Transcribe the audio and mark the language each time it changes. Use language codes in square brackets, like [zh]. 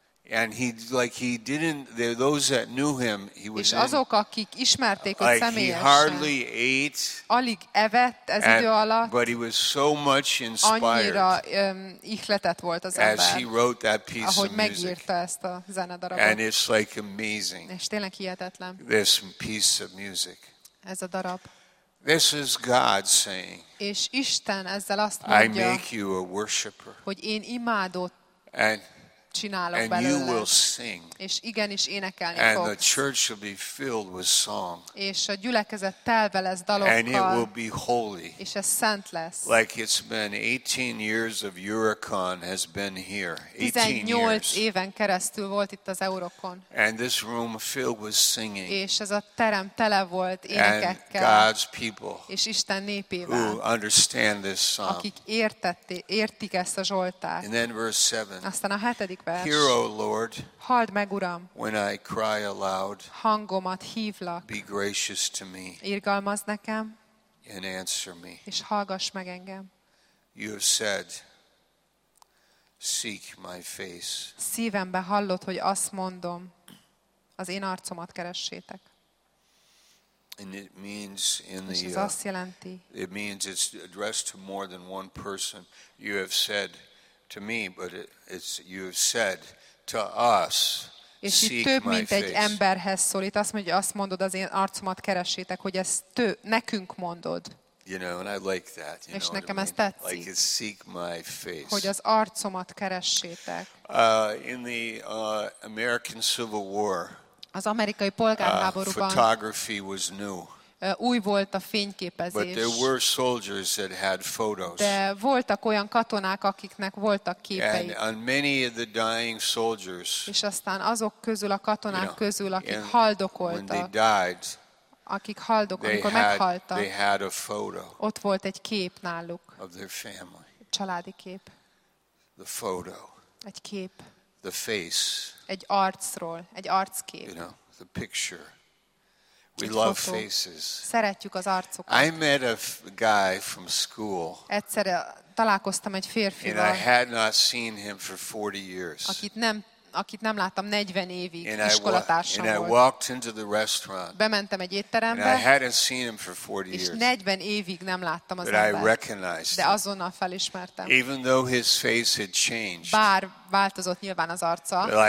[en] And he like he didn't there those that knew him he was. [hu] És azok, akik ismerték őt személyesen. [en] Like he hardly ate. [hu] Alig evett ez idő alatt. [en] But he was so much inspired. [hu] Annyira ihletett volt az ember. [en] As he wrote that piece of music. [hu] Ahogy megírta ezt a zenedarabot. [en] And it's like amazing. [hu] És tényleg hihetetlen. [en] This piece of music. [hu] Ez a darab. [en] This is God saying. [hu] És Isten ezzel azt mondja. [en] I make you a worshipper. [hu] Hogy én imádót csinálok belőle. [en] And you will sing. [hu] És igenis énekelni fogsz. [en] And the church will be filled with song. [hu] És a gyülekezet telve lesz dalokkal. [en] And it will be holy. [hu] És ez szent lesz. [en] Like it's been 18 years of Eurocon has been here. [hu] 18 éven keresztül volt itt az Eurocon. [en] And this room filled with singing. [hu] És ez a terem tele volt énekekkel. [en] And God's people. [hu] És Isten népével. [en] Who understand this song. [hu] Akik értik ezt a zsoltárt. [en] And then verse 7. [hu] Aztán a 7. vers. [en] Hear, O Lord. [hu] Halld meg, Uram. [en] When I cry aloud, [hu] hangomat hívlak. [en] Be gracious to me. [hu] Irgalmazd nekem. [en] And answer me. [hu] És hallgass meg engem. [en] You have said, seek my face. [hu] Szívembe hallod, hogy azt mondom, az én arcomat keressétek. [en] And it means in the. [hu] És ez azt jelenti. [en] It means it's addressed to more than one person. You have said to me, but it's you have said. To us, [hu] és itt több, mint egy emberhez szólít. Azt mondja, azt mondod, az én arcomat keressétek, hogy ezt nekünk mondod. [en] You know, and I like that. [hu] És nekem ez tetszik. [en] Like it's seek my face. [hu] Hogy az arcomat keressétek. [en] In the American Civil War, [hu] az amerikai polgárháborúban [en] photography was new. [hu] Új volt a fényképezés. [en] But there were soldiers that had photos. [hu] De voltak olyan katonák, akiknek voltak képei. [en] And on many of the dying soldiers. [hu] És aztán azok közül a katonák [en] you know, [hu] közül, akik haldokoltak. [en] When they died. [hu] Akik haldokoltak, amikor meghaltak. [en] They had a photo. [hu] Ott volt egy kép náluk. [en] Of their family. [hu] Családi kép. [en] The photo. [hu] Egy kép. [en] The face. [hu] Egy arcról, egy arckép. [en] You know, the picture. We love faces. [hu] Szeretjük az arcokat. [en] I met a guy from school. [hu] Egyszer találkoztam egy férfival. [en] And I had not seen him for 40 years. [hu] Akit nem akit nem láttam 40 évig iskolatársam volt. [en] And I walked into the restaurant. [hu] Bementem egy étterembe. [en] And I hadn't seen him for 40 years. [hu] És 40 évig nem láttam az embert. [en] But I recognized him. [hu] De azonnal felismertem. [en] Even though his face had changed. [hu] Bár változott nyilván az arca.